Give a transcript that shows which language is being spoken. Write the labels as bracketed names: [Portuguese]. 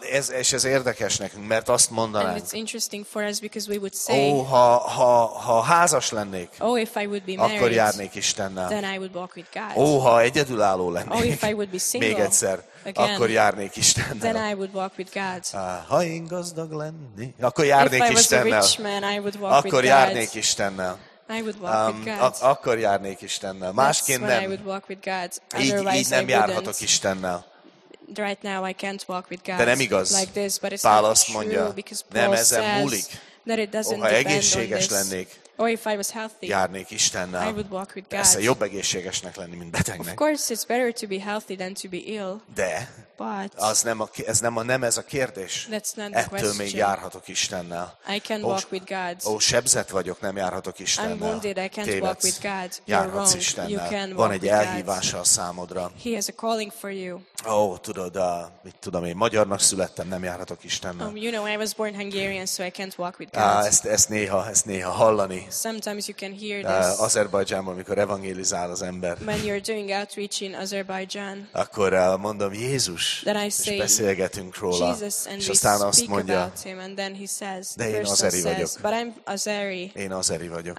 [Hungarian] Ez érdekes nekünk, mert azt mondanánk. [English] And it's interesting for us because we would say, [Hungarian] ha házas lennék, [English] oh, if I would be married, [Hungarian] akkor járnék Istennel. [English] Then I would walk with God. [Hungarian] Oh, ha egyedülálló lennék, [English] oh, if I would be single, [Hungarian] még egyszer, [English] again, [Hungarian] akkor járnék Istennel. [English] Then I would walk with God. [Hungarian] Ha én gazdag lennék, akkor járnék [English] if [Hungarian] Istennel. [English] If I was a rich man, I would walk [Hungarian] akkor [English] with [Hungarian] járnék [English] God. [Hungarian] Istennel. [English] I would walk with God. [Hungarian] Akkor járnék Istennel. Másként nem. [English] I would walk with God. [Hungarian] Így nem [English] I [Hungarian] járhatok [English] wouldn't. [Hungarian] Istennel. [English] Right now I can't walk with God. [Hungarian] De nem igaz. [English] Like this, but it's [Hungarian] Pál [English] not [Hungarian] azt mondja, [English] true, [Hungarian] nem ezen múlik. [English] That it doesn't [Hungarian] ha egészséges lennék, [English] or if I was healthy, [Hungarian] járnék Istennel. [English] I would walk with God. [Hungarian] Persze jobb egészségesnek lenni, mint betegnek. [English] Of course it's better to be healthy than to be ill. [Hungarian] De [English] but [Hungarian] az nem a, ez nem a nem ez a kérdés. [English] That's not [Hungarian] ettől [English] the question. [Hungarian] Még járhatok Istennel. [English] I can walk with God. [Hungarian] Ó, sebzett vagyok, nem járhatok Istennel. [English] I'm wounded, I can't [Hungarian] tévedsz. [English] Walk with God. [Hungarian] Járhatsz Istennel. Van egy elhívása a számodra. [English] He has a calling for you. [Hungarian] Ó, tudod, mit tudom én, magyarnak születtem, nem járhatok Istennel. [English] You know, I was born Hungarian, so I can't walk with God. [Hungarian] Ezt néha hallani. [English] Sometimes you can hear this. [Hungarian] Azerbajdzsánban, amikor evangelizál az ember. [English] When you're doing outreach in Azerbaijan. [Hungarian] Akkor mondom, Jézus, [English] say, [Hungarian] és beszélgetünk róla. [English] Jesus, [Hungarian] és aztán azt mondja, [English] him, and then he says, [Hungarian] de én azeri vagyok. [English] But I'm Azeri. [Hungarian] Én azeri vagyok.